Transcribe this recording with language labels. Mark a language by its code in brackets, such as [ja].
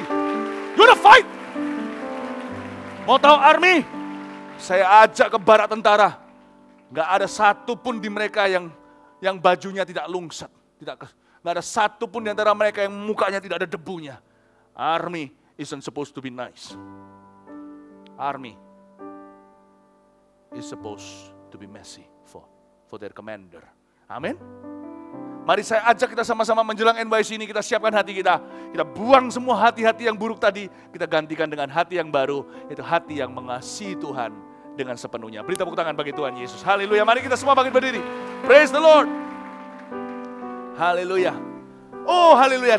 [en] You wanna fight? [id] Mau tahu army? Saya ajak ke barak tentara. Gak ada satu pun di mereka yang bajunya tidak lungset. Gak ada satu pun di antara mereka yang mukanya tidak ada debunya. [en] Army isn't supposed to be nice. Army is supposed to be messy for their commander. [id] Amen? Mari saya ajak kita sama-sama menjelang NYC ini, kita siapkan hati kita. Kita buang semua hati-hati yang buruk tadi, kita gantikan dengan hati yang baru, yaitu hati yang mengasihi Tuhan dengan sepenuhnya. Beri tepuk tangan bagi Tuhan Yesus. Haleluya, mari kita semua bangkit berdiri. [en] Praise the Lord. [id] Haleluya. Oh haleluya.